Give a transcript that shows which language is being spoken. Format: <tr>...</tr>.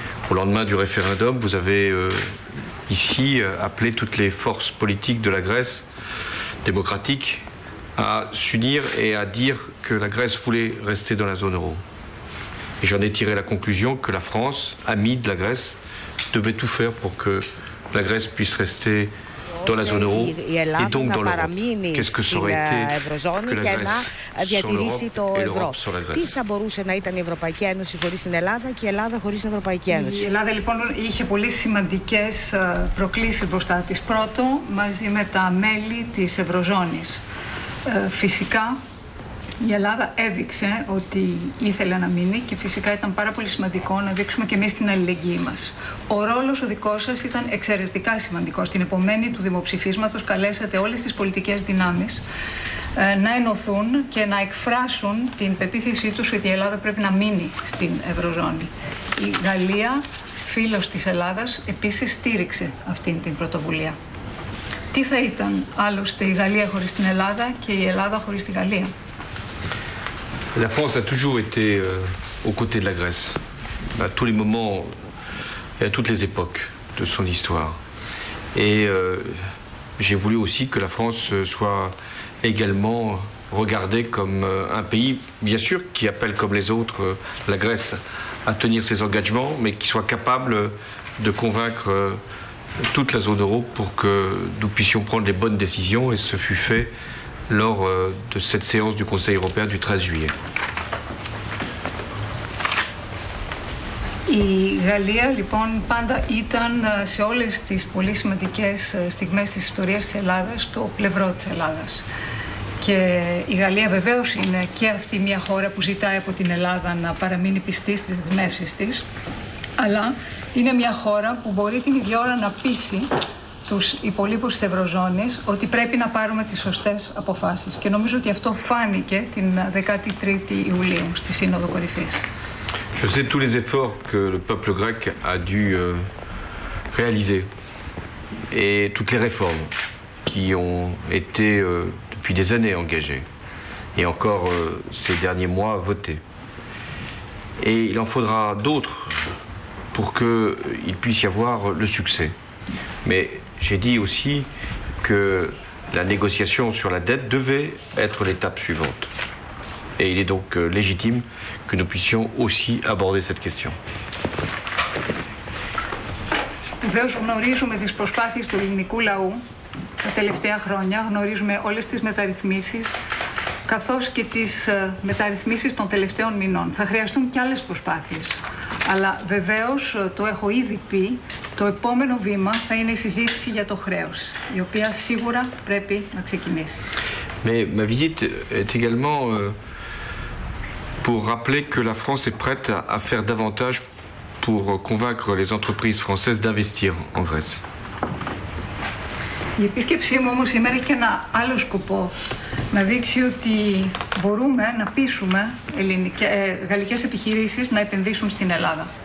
<fr>Au lendemain du référendum, vous avez ici appelé toutes les forces politiques de la Grèce démocratique à s'unir et à dire que la Grèce voulait rester dans la zone euro. Et j'en ai tiré la conclusion que la France, amie de la Grèce, devait tout faire pour que la Grèce puisse rester dans la zone euro et donc dans l'Europe. Qu'est-ce que ça aurait été que la Grèce sans l'Europe et l'Europe sans la Grèce?</fr> <el>Τι θα μπορούσε να ήταν η Ευρωπαϊκή Ένωση χωρίς την Ελλάδα και η Ελλάδα χωρίς την Ευρωπαϊκή Ένωση? Η Ελλάδα λοιπόν είχε πολύ σημαντικές προκλήσεις μπροστά της. Πρώτον, μαζί με τα μέλη της Ευρωζώνης. Φυσικά, η Ελλάδα έδειξε ότι ήθελε να μείνει και φυσικά ήταν πάρα πολύ σημαντικό να δείξουμε και εμείς την αλληλεγγύη μας. Ο ρόλος ο δικός σας ήταν εξαιρετικά σημαντικός. Την επομένη του δημοψηφίσματος καλέσατε όλες τις πολιτικές δυνάμεις να ενωθούν και να εκφράσουν την πεποίθησή τους ότι η Ελλάδα πρέπει να μείνει στην Ευρωζώνη. Η Γαλλία, φίλος της Ελλάδας, επίσης στήριξε αυτήν την πρωτοβουλία. Τι θα ήταν άλλωστε η Γαλλία χωρίς την Ελλάδα και η Ελλάδα χωρίς τη Γαλλία?</el> <fr>La France a toujours été aux côtés de la Grèce, à tous les moments et à toutes les époques de son histoire. Et j'ai voulu aussi que la France soit également regardée comme un pays, bien sûr, qui appelle comme les autres la Grèce à tenir ses engagements, mais qui soit capable de convaincre toute la zone euro pour que nous puissions prendre les bonnes décisions, et ce fut fait lors de cette séance du Conseil européen du 13 juillet.</fr> <el>Η Γαλλία λοιπόν πάντα ήταν σε όλες τις πολύ σημαντικές στιγμές της ιστορίας της Ελλάδας το πλευρό της Ελλάδας. Και η Γαλλία βεβαίως είναι και αυτή μια χώρα που ζητάει από την Ελλάδα να παραμείνει πιστή στις δεσμεύσεις της, αλλά είναι μια χώρα που μπορεί την ίδια ώρα να πείσει τους υπολείπους της Ευρωζώνης ότι πρέπει να πάρουμε τις σωστές αποφάσεις. Και νομίζω ότι αυτό φάνηκε την 13η Ιουλίου στη Σύνοδο Κορυφής.</el> <fr>Je sais tous les efforts que le peuple grec a dû réaliser et toutes les réformes qui ont été depuis des années engagées et encore ces derniers mois votées. Et il en faudra d'autres pour qu'il puisse y avoir le succès. Mais j'ai dit aussi que la négociation sur la dette devait être l'étape suivante. Et il est donc légitime que nous puissions aussi aborder cette question.</fr> <el>Βεβαίως γνωρίζουμε τις προσπάθειες του ελληνικού λαού τα τελευταία χρόνια, γνωρίζουμε όλες τις μεταρρυθμίσεις, καθώς και τις μεταρρυθμίσεις των τελευταίων μηνών. Θα χρειαστούν και άλλες προσπάθειες. Αλλά βεβαίως, το έχω ήδη πει, το επόμενο βήμα θα είναι η συζήτηση για το χρέος, η οποία σίγουρα πρέπει να ξεκινήσει.</el> <fr>Mais ma visite est également pour rappeler que la France est prête à faire davantage pour convaincre les entreprises françaises d'investir en Grèce.</fr> <el>Η επίσκεψή μου όμως σήμερα έχει και ένα άλλο σκοπό. Να δείξει ότι μπορούμε να πείσουμε γαλλικές επιχειρήσεις να επενδύσουν στην Ελλάδα.</el>